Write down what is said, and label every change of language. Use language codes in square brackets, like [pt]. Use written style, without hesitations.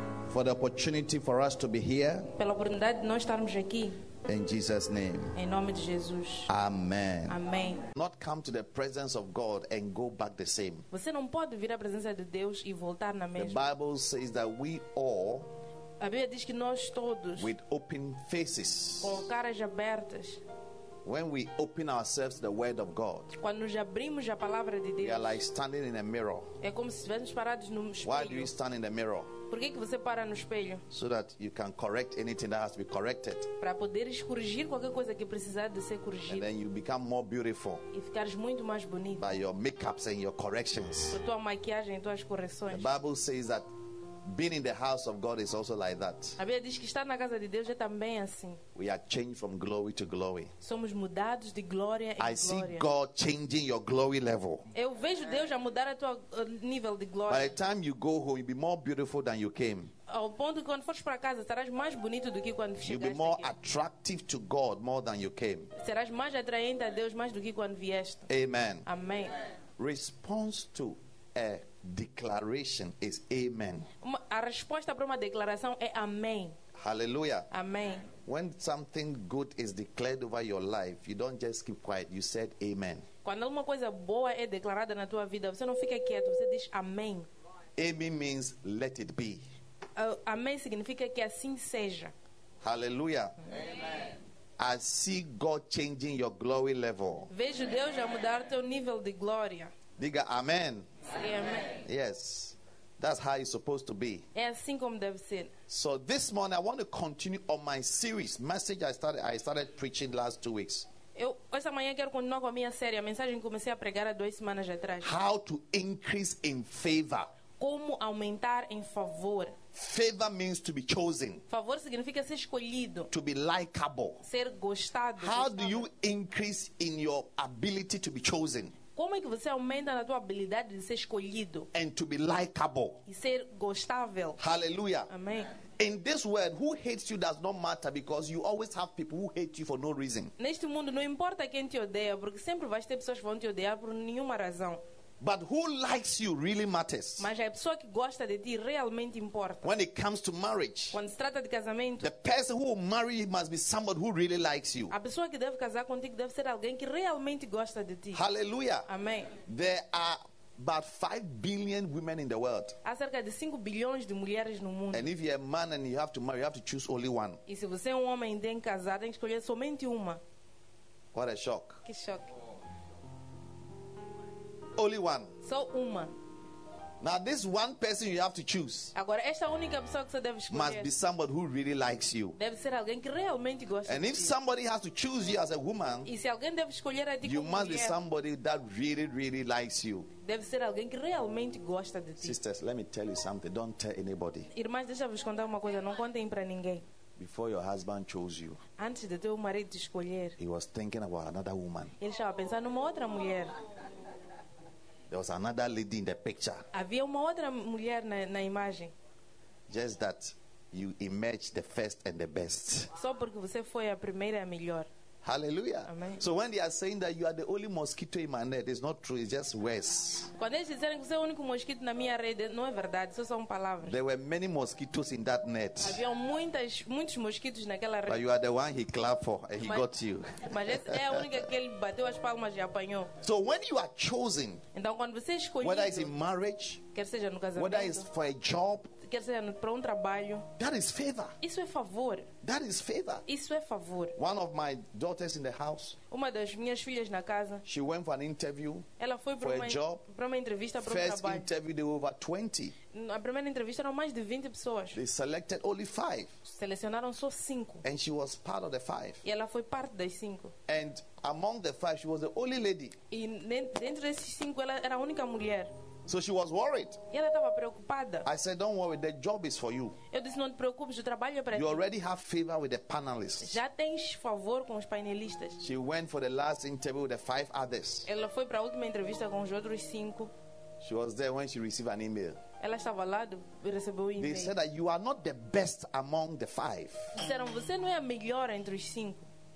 [en] For the opportunity for us to be here. [pt] Pela oportunidade de nós estarmos aqui. [en] In Jesus' name. [pt] Em nome de Jesus. [en] Amen. [pt] Amém. [en] Not come to the presence of God and go back the same. [pt] Você não pode vir à presença de Deus e voltar na mesma. [en] The Bible says that we all. [pt] A Bíblia diz que nós todos. [en] With open faces. [pt] Com caras abertas. [en] When we open ourselves to the word of God, [pt] quando nos abrimos à palavra de Deus, [en] we are like standing in a mirror. [pt] É como se estivéssemos parados no espelho. [en] Why do you stand in the mirror? [pt] Por que você para no espelho? [en] So that you can correct anything that has to be corrected. [pt] Para poderes corrigir qualquer coisa que precisar de ser corrigida. [en] And then you become more beautiful. [pt] E ficares muito mais bonito. [en] By your makeups and your corrections. [pt] Por tua maquiagem e tuas correções. [en] The Bible says that being in the house of God is also like that. [pt] A Bíblia diz que estar na casa de Deus é também assim. [en] We are changed from glory to glory. [pt] Somos mudados de glória em glória. [en] I see God changing your glory level. [pt] Eu vejo Deus a mudar a tua nível de glória. [en] By the time you go home, you'll be more beautiful than you came. [pt] Ao ponto que quando fores para casa, serás mais bonito do que quando chegaste. [en] You'll be more attractive to God more than you came. [pt] Serás mais atraente a Deus mais do que quando vieste. [en] Amen. [pt] Amém. [en] Response to a declaration is amen. [pt] A resposta para uma declaração é amém. [en] Hallelujah. [pt] Amém. [en] When something good is declared over your life, you don't just keep quiet, you said amen. [pt] Quando alguma coisa boa é declarada na tua vida, você não fica quieto, você diz amém. [en] Amen means let it be. [pt] Amém significa que assim seja. [en] Hallelujah. Amen. I see God changing your glory level. [pt] Vejo Deus a mudar teu nível de glória. Diga amém. [en] Amen. Yes, that's how it's supposed to be. [pt] É assim como deve ser. [en] So this morning I want to continue on my series message I started preaching last 2 weeks. [pt] Eu essa manhã quero continuar com a minha série, a mensagem que comecei a pregar há 2 semanas atrás. [en] How to increase in favor. [pt] Como aumentar em favor. [en] Favor means to be chosen. [pt] Favor significa ser escolhido. [en] To be likable. [pt] Ser gostado. [en] How do you increase in your ability to be chosen? [pt] Como é que você aumenta na tua habilidade de ser escolhido? [en] And to be likable. [pt] E ser gostável. [en] Hallelujah. [pt] Amém. [en] In this world, who hates you does not matter because you always have people who hate you for no reason. [pt] Neste mundo não importa quem te odeia, porque sempre vai ter pessoas que vão te odiar por nenhuma razão. [en] But who likes you really matters. [pt] Mas a pessoa que gosta de ti realmente importa. [en] When it comes to marriage. [pt] Quando se trata de casamento. [en] The person who will marry you must be somebody who really likes you. [pt] A pessoa que deve casar contigo deve ser alguém que realmente gosta de ti. [en] Hallelujah. [pt] Amém. [en] There are about 5 billion women in the world. [pt] Há cerca de 5 bilhões de mulheres no mundo. [en] And if you're a man and you have to marry, you have to choose only one. [pt] E se você é um homem e tem que casar, tem que escolher somente uma. [en] What a shock. [pt] Que choque. [en] Only one. [pt] Só uma. [en] Now this one person you have to choose. [pt] Agora esta única pessoa que você deve escolher. [en] Must be somebody who really likes you. [pt] Deve ser alguém que realmente gosta de [en] ti. And if somebody has to choose you as a woman. [pt] E se alguém deve escolher a ti como [en] mulher. You must be somebody that really, really likes you. [pt] Deve ser alguém que realmente gosta de ti. [en] Sisters, let me tell you something. Don't tell anybody. [pt] Irmãs, deixa-vos contar uma coisa. Não contem para ninguém. [en] Before your husband chose you. [pt] Antes de teu marido te escolher. [en] He was thinking about another woman. [pt] Ele estava pensando numa outra mulher. [en] There was another lady in the picture. [pt] Havia uma outra mulher na imagem. [en] Just that you emerged the first and the best. [pt] Só porque você foi a primeira e a melhor. [en] Hallelujah. [pt] Amém. [en] So when they are saying that you are the only mosquito in my net, it's not true, it's just words. [pt] Quando eles disseram que você é o único mosquito na minha rede, não é verdade, isso são palavras. [en] There were many mosquitoes in that net. [pt] Havia muitos mosquitos naquela rede. [en] But you are the one he clapped for and he got you. [pt] Mas é a única que ele bateu as palmas e apanhou. [en] So when you are chosen, [pt] então quando você é escolhido, [en] whether it's in marriage, [pt] quer seja no casamento, [en] whether it's for a job, [pt] quer seja para trabalho. [en] That is favor. [pt] Isso é favor. [en] That is favor. [pt] Isso é favor. [en] One of my daughters in the house. [pt] Uma das minhas filhas na casa. [en] She went for an interview. [pt] Ela foi [en] for a job. [pt] Para uma entrevista para [en] first [pt] trabalho. [en] First interview, there were over 20. [pt] Na primeira entrevista eram mais de 20 pessoas. [en] They selected only 5. [pt] Selecionaram só 5. [en] And she was part of the 5. [pt] E ela foi parte das 5. [en] And among the 5, she was the only lady. [pt] E dentro desses 5, ela era a única mulher. [en] So she was worried. [pt] E ela estava preocupada. [en] I said, don't worry, the job is for you. [pt] Eu disse, não te preocupes, o trabalho é para [en] ti. You already have favor with the panelists. [pt] Já tens favor com os painelistas. [en] She went for the last interview with the five others. [pt] Ela foi para a última entrevista com os outros cinco. [en] She was there when she received an email. [pt] Ela estava lá e recebeu um e-mail. [en] They said that you are not the best among the five. [pt] Disseram, você não é a melhor entre os cinco.